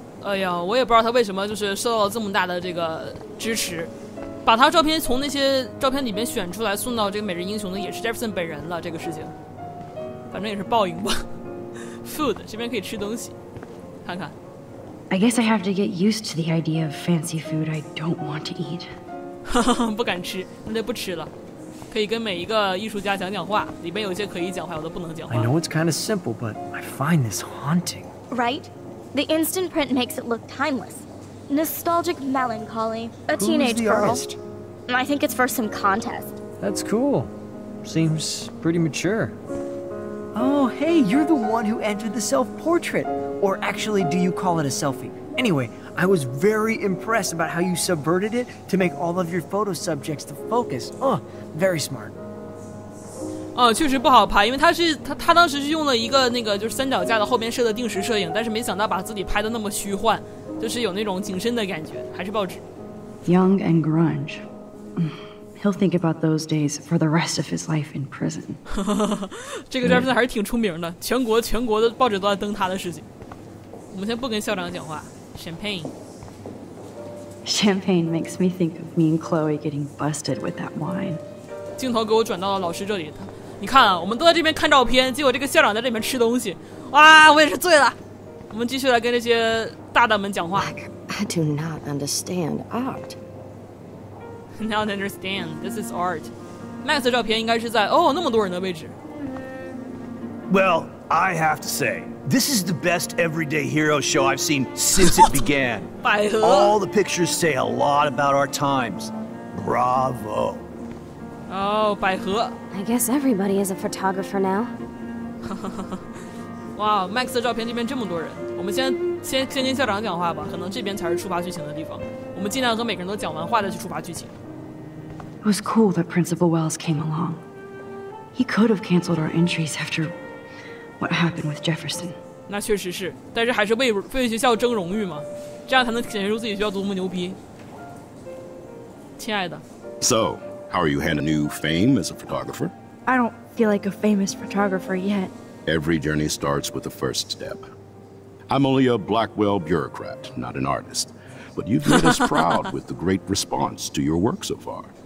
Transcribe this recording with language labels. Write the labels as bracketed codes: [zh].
[zh] 哎呀，我也不知道他为什么就是受到了这么大的这个支持，把他照片从那些照片里面选出来送到这个每日英雄的也是 Jefferson 本人了，这个事情反正也是报应吧。 Food 这边可以吃东西看看。 [en] I guess I have to get used to the idea of fancy food I don't want to eat. [zh] 不敢吃，那就不吃了。可以跟每一个艺术家讲讲话，里面有些可以讲话，有的不能讲话。 [en] I know it's kind of simple, but I find this haunting. Right? The instant print makes it look timeless. Nostalgic melancholy. A teenage girl. Who's the artist? I think it's for some contest. That's cool. Seems pretty mature. Oh, hey, you're the one who entered the self-portrait. Or actually, do you call it a selfie? Anyway, I was very impressed about how you subverted it to make all of your photo subjects the focus. Oh, very smart. [zh] 确实不好拍，因为他当时是用了一个那个就是三脚架的后边设的定时摄影，但是没想到把自己拍的那么虚幻，就是有那种景深的感觉，还是报纸。 [en] Young and grunge. He'll think about those days for the rest of his life in prison. [zh] 这个 Jefferson 还是挺出名的，全国的报纸都在登他的事情。我们先不跟校长讲话。Champagne. [en] Champagne makes me think of me and Chloe getting busted with that wine. [zh] 镜头给我转到了老师这里。你看啊，我们都在这边看照片，结果这个校长在这边吃东西。哇，我也是醉了。我们继续来跟这些大大们讲话。 [en] Like, I do not understand art. Not understand. This is art. [zh] Max 的照片应该是在那么多人的位置。 [en] Well, I have to say, this is the best everyday hero show I've seen since it began. [zh] 百合。 [en] All the pictures say a lot about our times. Bravo. [zh] Oh, 百合。 [en] I guess everybody is a photographer now. [zh] 哇 ，Max 的照片这边这么多人，我们先跟校长讲话吧，可能这边才是触发剧情的地方。我们尽量和每个人都讲完话再去触发剧情。 [en] It was cool that Principal Wells came along. He could have canceled our entries after what happened with Jefferson. [zh] 那确实是，但是还是为学校争荣誉嘛，这样才能显示出自己学校多么牛逼。亲爱的。 [en] So, how are you handling new fame as a photographer? I don't feel like a famous photographer yet. Every journey starts with the first step. I'm only a Blackwell bureaucrat, not an artist. But you've made us proud with the great response to your work so far.